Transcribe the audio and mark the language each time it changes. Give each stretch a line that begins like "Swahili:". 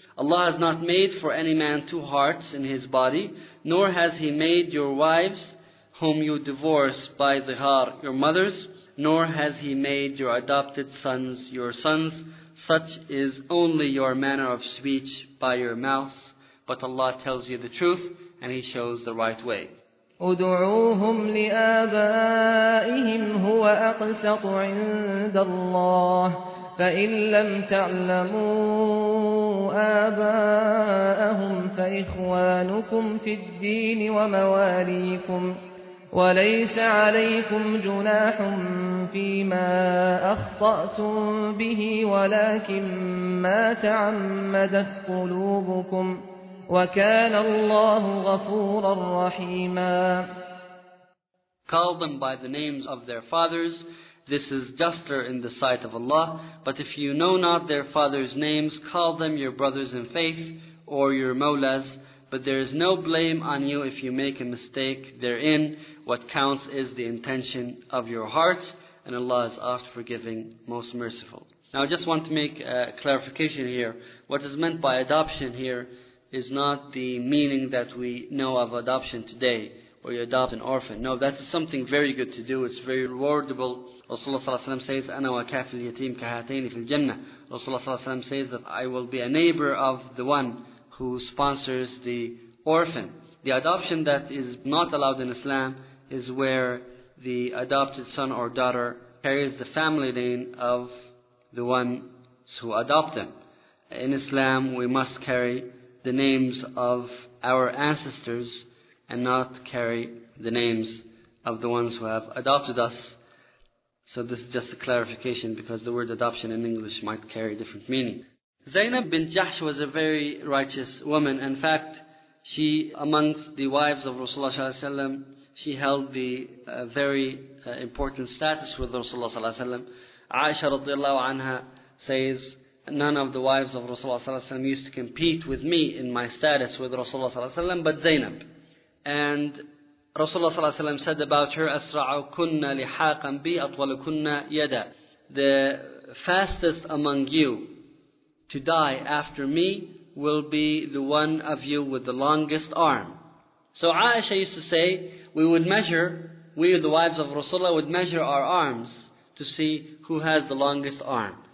English: Allah has not made for any man two hearts in his body, nor has He made your wives, whom you divorce by dhihar, your mothers, nor has He made your adopted sons your sons. Such is only your manner of speech by your mouth, but Allah tells you the truth and He shows the right way.
Arabic: ادعوهم لآبائهم هو أقسط عند الله فإن لم تعلموا آباءهم فإخوانكم في الدين ومواليكم وليس عليكم جناح فيما أخطأتم به ولكن ما تعمدت قلوبكم وكان الله غفورا رحيما.
English: Call them by the names of their fathers. This is juster in the sight of Allah. But if you know not their fathers' names, call them your brothers in faith or your mawlas. But there is no blame on you if you make a mistake therein. What counts is the intention of your hearts, and Allah is oft forgiving, most merciful. Now I just want to make a clarification here. What is meant by adoption here is not the meaning that we know of adoption today, where you adopt an orphan. No, that's something very good to do. It's very rewardable. Rasulullah ﷺ says,
Arabic: أَنَا وَكَافِ الْيَتِيمِ كَهَاتَيْنِ فِي الْجَنَّةِ.
English: Rasulullah ﷺ says that I will be a neighbor of the one who sponsors the orphan. The adoption that is not allowed in Islam is where the adopted son or daughter carries the family name of the ones who adopt them. In Islam, we must carry the names of our ancestors and not carry the names of the ones who have adopted us. So this is just a clarification, because the word adoption in English might carry different meaning. Zainab bint Jahsh was a very righteous woman. In fact, she, amongst the wives of Rasulullah ﷺ, she held the very important status with Rasulullah ﷺ. Aisha radiallahu anha says, none of the wives of Rasulullah ﷺ used to compete with me in my status with Rasulullah ﷺ, but Zainab. And Rasulullah ﷺ said about her,
Arabic: أَسْرَعُ كُنَّ لِحَاقًا بِي أَطْوَلُكُنَّ يَدًا.
English: The fastest among you to die after me will be the one of you with the longest arm. So Aisha used to say, we, the wives of Rasulullah, would measure our arms to see who has the longest arm.